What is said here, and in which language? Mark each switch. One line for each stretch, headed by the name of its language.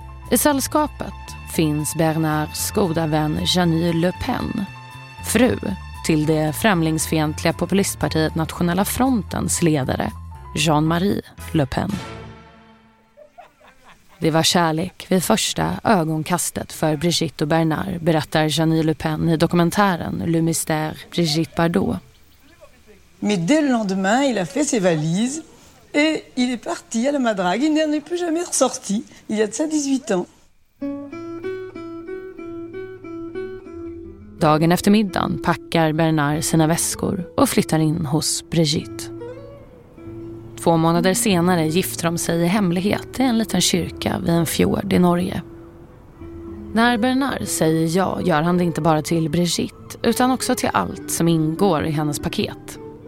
Swedish: I sällskapet finns Bernards goda vän Janine Le Pen, fru till det främlingsfientliga populistpartiet Nationella Frontens ledare Jean-Marie Le Pen. Det var kärlek vid första ögonkastet för Brigitte och Bernard, berättar Janine Le Pen i dokumentären Le Mystère Brigitte Bardot.
French: Mais dès le lendemain, il a fait ses valises et il est parti à la madrague. Il n'en est plus jamais ressorti. Il y a de ça 18 ans.
Swedish: Dagen efter middagen packar Bernard sina väskor och flyttar in hos Brigitte. 2 månader senare gifter de sig i hemlighet i en liten kyrka vid en fjord i Norge. När Bernard säger ja gör han det inte bara till Brigitte utan också till allt som ingår i hennes paket.